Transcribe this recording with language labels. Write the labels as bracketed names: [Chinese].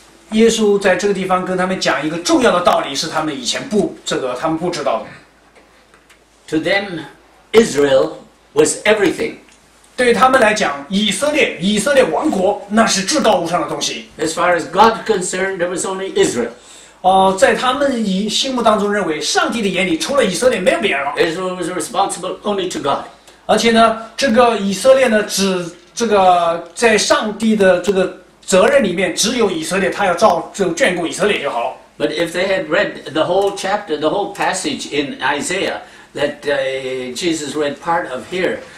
[Chinese] 耶稣在这个地方跟他们讲一个重要的道理，是他们以前不这个他们不知道的。 [English] To them, Israel was everything. [Chinese] 对他们来讲，以色列，以色列王国，那是至高无上的东西。 [English] As far as God concerned, there was only Israel. [Chinese] 在他们心目当中认为，上帝的眼里除了以色列没有别人了。 [English] Israel was responsible only to God. [Chinese] 而且呢，这个以色列呢，只这个在上帝的这个责任里面，只有以色列，他要照就眷顾以色列就好了。 [English] But if they had read the whole chapter, the whole passage in Isaiah that Jesus read part of here.